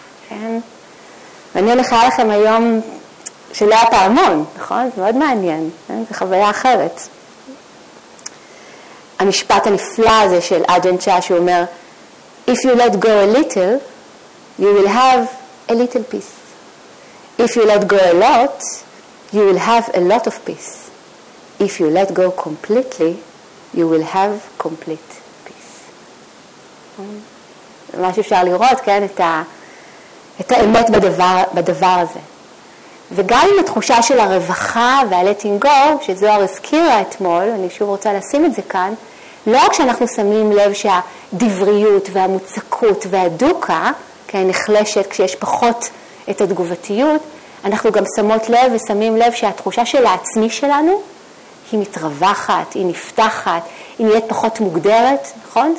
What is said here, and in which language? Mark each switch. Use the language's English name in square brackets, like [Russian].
[Hebrew] נכון? ואני הולכה לכם היום שלא הפעמון, נכון? זה מאוד מעניין, זה חוויה אחרת. המשפט הנפלא הזה של אג'ן צ'ה שאומר, [English] If you let go a little, you will have a little peace. If you let go a lot, you will have a lot of peace. If you let go completely, you will have complete. [Hebrew] מה שאפשר לראות, כן, את האמת בדבר הזה. וגם עם התחושה של הרווחה וה- [English] letting go, [Hebrew] שזוהר הזכירה אתמול, אני שוב רוצה לשים את זה כאן, לא רק שאנחנו שמים לב שהדבריות והמוצקות והדוקה, כן, נחלשת כשיש פחות את התגובתיות, אנחנו גם שמות לב ושמים לב שהתחושה של העצמי שלנו היא מתרווחת, היא נפתחת, היא נהיית פחות מוגדרת, נכון?